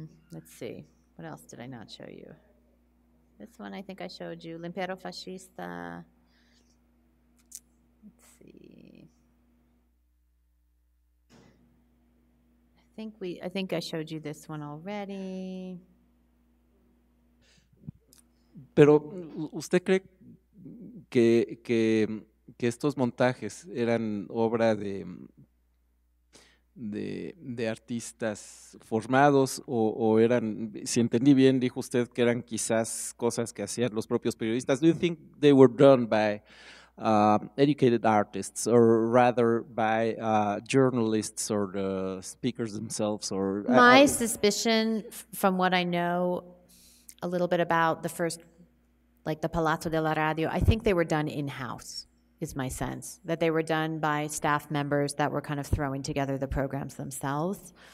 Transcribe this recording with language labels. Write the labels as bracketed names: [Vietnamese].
[English] Let's see. What else did I not show you? This one I think I showed you, L'Impero Fascista. Let's see. I think I showed you this one already. [Spanish] Pero usted cree que estos montajes eran obra de artistas formados o eran, si entendí bien, dijo usted que eran quizás cosas que hacían los propios periodistas. [English] Do you think they were done by educated artists, or rather by journalists or the speakers themselves? Or my suspicion, from what I know a little bit about the first, like the Palazzo della Radio, I think they were done in-house, is my sense, that they were done by staff members that were kind of throwing together the programs themselves.